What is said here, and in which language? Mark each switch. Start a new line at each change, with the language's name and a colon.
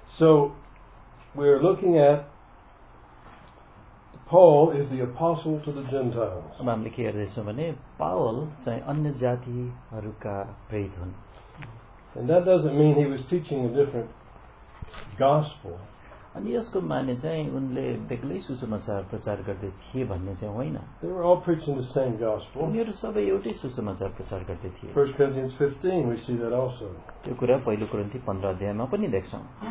English: So we're looking at Paul is the apostle to the Gentiles.
Nepali: हामीले के हेर्दैछौँ भने Paul चाहिँ अन्य जातिहरूका प्रेरित हुन्.
English: And that doesn't mean he was teaching a different gospel.
Nepali: अनि यसको माने चाहिँ उनले बेग्लै सुसमाचार प्रचार गर्दै थिए भन्ने चाहिँ होइन.
English: They were all preaching the same gospel.
Nepali: उनीहरू सबै एउटै सुसमाचार प्रचार गर्दै थिए.
English: 1 Corinthians 15, we see that also.
Nepali: त्यो कुरा पहिलो कुरिन्थी 15 अध्यायमा पनि देख्छौँ.